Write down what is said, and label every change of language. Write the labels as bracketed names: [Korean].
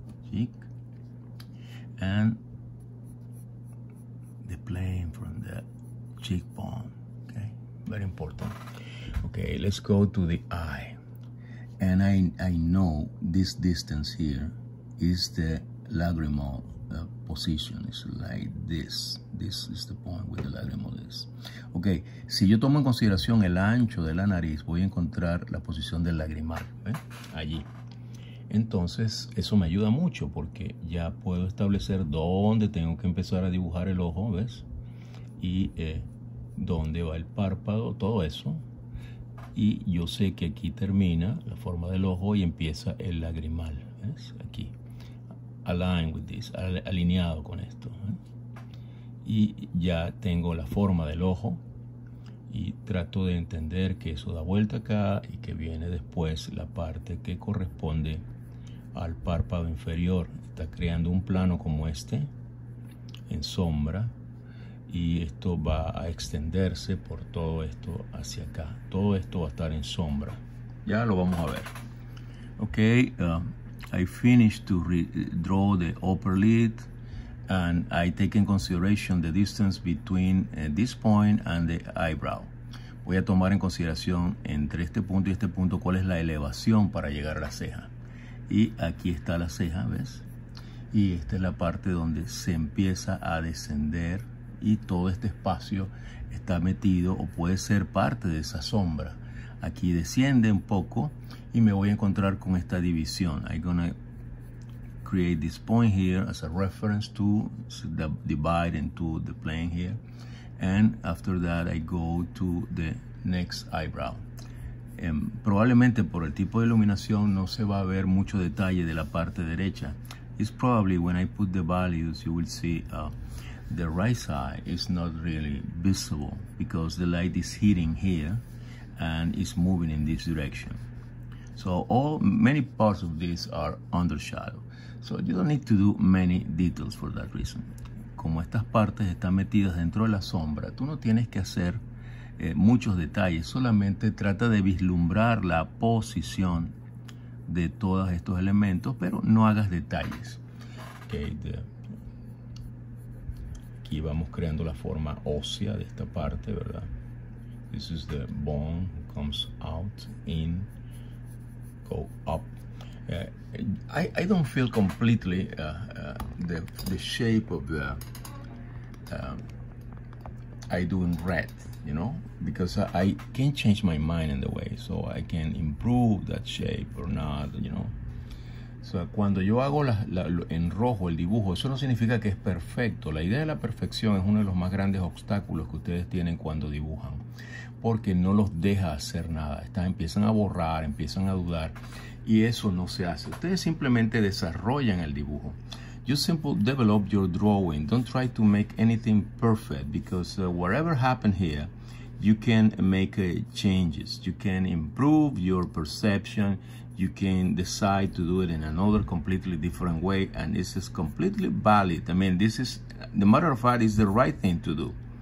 [English] Cheek and the plane from the cheekbone. Okay, very important. Okay, let's go to the eye. And I know this distance here is the lagrimal position. It's like this. This is the point where the lagrimal is. [Spanish] Okay, si yo tomo en consideración el ancho de la nariz, voy a encontrar la posición del lagrimal, ¿eh? Allí. Entonces, eso me ayuda mucho porque ya puedo establecer dónde tengo que empezar a dibujar el ojo, ¿ves? Y dónde va el párpado, todo eso. Y yo sé que aquí termina la forma del ojo y empieza el lagrimal, ¿ves? Aquí. [English] Align with this, [Spanish] alineado con esto, ¿eh? Y ya tengo la forma del ojo y trato de entender que eso da vuelta acá y que viene después la parte que corresponde al párpado inferior. Está creando un plano como este en sombra y esto va a extenderse por todo esto hacia acá. Todo esto va a estar en sombra. Ya lo vamos a ver. [English] Ok, I finished to draw the upper lid and I take in consideration the distance between this point and the eyebrow. [Spanish] Voy a tomar en consideración entre este punto y este punto cuál es la elevación para llegar a la ceja. Y aquí está la ceja, ¿ves? Y esta es la parte donde se empieza a descender y todo este espacio está metido o puede ser parte de esa sombra. Aquí desciende un poco y me voy a encontrar con esta división. [English] I'm gonna create this point here as a reference to the divide into the plane here. And after that I go to the next eyebrow. [Spanish] Probablemente por el tipo de iluminación no se va a ver mucho detalle de la parte derecha. [English] It's probably when I put the values you will see the right side is not really visible because the light is hitting here and it's moving in this direction. So all many parts of this are under shadow. So you don't need to do many details for that reason. [Spanish] Como estas partes están metidas dentro de la sombra, tú no tienes que hacer muchos detalles, solamente trata de vislumbrar la posición de todos estos elementos, pero no hagas detalles. Okay, aquí vamos creando la forma ósea de esta parte, ¿verdad? [English] This is the bone comes out in, go up. I don't feel completely the shape of the I do in red, you know, because I can change my mind in the way, so I can improve that shape or not, you know. [Spanish] So cuando yo hago en rojo el dibujo, eso no significa que es perfecto. La idea de la perfección es uno de los más grandes obstáculos que ustedes tienen cuando dibujan, porque no los deja hacer nada. Empiezan a borrar, empiezan a dudar, y eso no se hace. Ustedes simplemente desarrollan el dibujo. [English] You simply develop your drawing. Don't try to make anything perfect because whatever happened here, you can make changes. You can improve your perception. You can decide to do it in another completely different way. And this is completely valid. I mean, this is, the matter of fact, is the right thing to do.